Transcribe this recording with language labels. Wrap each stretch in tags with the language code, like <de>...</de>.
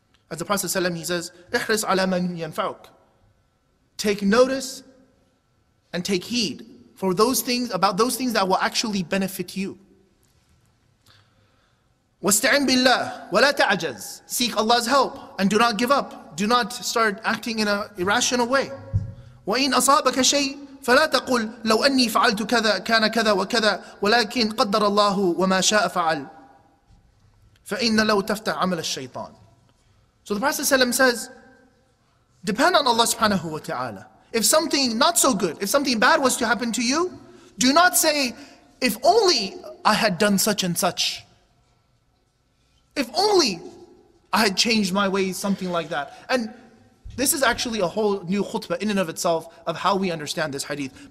<en>As the Prophet ﷺ, he says,</en> <ar>احرص على من ينفعك.</ar> <en>Take notice and take heed for those things, about those things that will actually benefit you.</en> <ar>واستعن بالله ولا تعجز.</ar> <en>Seek Allah's help and do not give up. Do not start acting in an irrational way.</en> <ar>وإن أصابك شيء فلا تقول لو أني فعلت كذا كان كذا وكذا ولكن قدر الله وما شاء فعل فإن لو تفتح عمل الشيطان.</ar> <en>So the Prophet ﷺ says, depend on Allah subhanahu wa ta'ala. If something not so good, if something bad was to happen to you, do not say, if only I had done such and such. If only I had changed my ways, something like that. And this is actually a whole new khutbah in and of itself of how we understand this hadith.</en>